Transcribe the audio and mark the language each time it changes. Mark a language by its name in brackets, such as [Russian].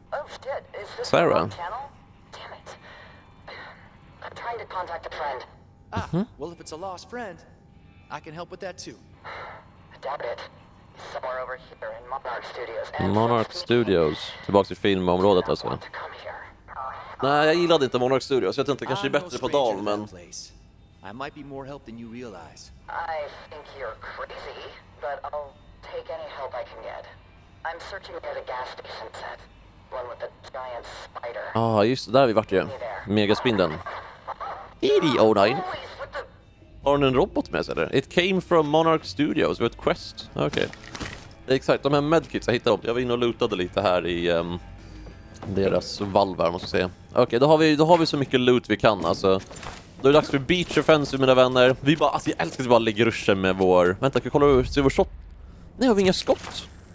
[English] Oh shit, is this the wrong channel? Damn it. I'm trying to contact a friend. Ah, well if it's a lost friend, I can help with that too. Doubt it. He's somewhere over here in Monarch Studios. Monarch Studios. [Swedish] Tillbaka till filmområdet alltså. Nej, jag gillade inte Monarch Studios. Jag tänkte kanske det är bättre på Dal, men... [English] I might be more help than you realize. I think you're crazy, but I'll take any help I can get. I'm searching for the gas station set. One with a giant spider. [Swedish] Ah, just det. Där har vi varit ju. Megaspindeln. ED09. Har hon en robot med sig, eller? [English] It came from Monarch Studios with Quest. [Swedish] Okej. Okay. Exakt, de här medkits jag hittade upp. Jag var inne och lootade lite här i... deras valvar, måste jag säga. Okej, då har vi så mycket loot vi kan, alltså. Då är det dags för beach offensive, mina vänner. Vi bara, alltså, jag älskar att vi bara lägger ruschen med vår... Vänta, kan jag kolla hur vår shot? Nej, har vi inga skott?